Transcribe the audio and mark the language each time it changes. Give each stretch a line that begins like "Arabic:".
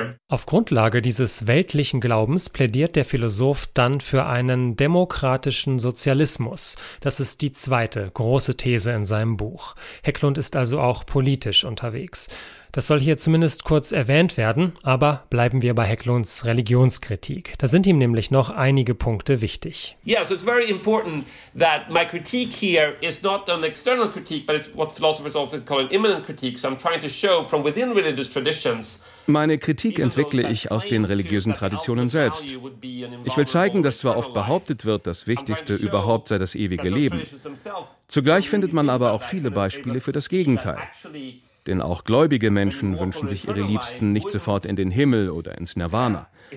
German: Auf Grundlage dieses weltlichen Glaubens plädiert der Philosoph dann für einen demokratischen Sozialismus. Das ist die zweite große These in seinem Buch. Hägglund ist also auch politisch unterwegs. Das soll hier zumindest kurz erwähnt werden, aber bleiben wir bei Hägglunds Religionskritik. Da sind ihm nämlich noch einige Punkte wichtig.
English: Yeah, so it's very important that my critique here is not an external critique, but it's what philosophers often call an immanent critique. So I'm trying to show from within religious traditions.
German: Meine Kritik entwickle ich aus den religiösen Traditionen selbst. Ich will zeigen, dass zwar oft behauptet wird, das Wichtigste überhaupt sei das ewige Leben. Zugleich findet man aber auch viele Beispiele für das Gegenteil. Denn auch gläubige Menschen wünschen sich ihre Liebsten nicht sofort in den Himmel oder ins Nirvana.